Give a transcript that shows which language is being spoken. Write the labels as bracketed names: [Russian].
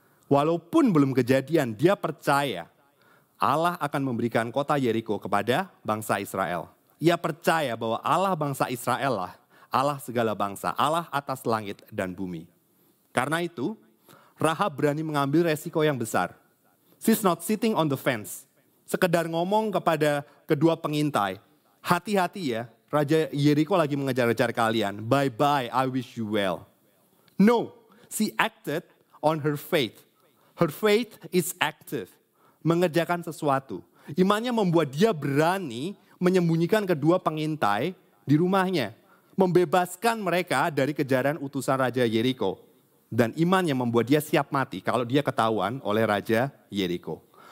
[Indonesian] Walaupun belum kejadian, dia percaya Allah akan memberikan kota Yeriko kepada bangsa Israel. Ia percaya bahwa Allah bangsa Israel lah Allah segala bangsa, Allah atas langit dan bumi. Karena itu, Rahab berani mengambil resiko yang besar. [English] She's not sitting on the fence. [Indonesian] Sekedar ngomong kepada kedua pengintai, hati-hati ya, Raja Yeriko lagi mengejar-ngejar kalian. [English] Bye-bye, I wish you well. No, she acted on her faith. Her faith is active. [Indonesian] Mengerjakan sesuatu. Imannya membuat dia berani menyembunyikan kedua pengintai di rumahnya. Membebaskan mereka dari kejaran utusan Raja Yeriko. Dan imannya membuat dia siap mati kalau dia ketahuan oleh Raja Yeriko.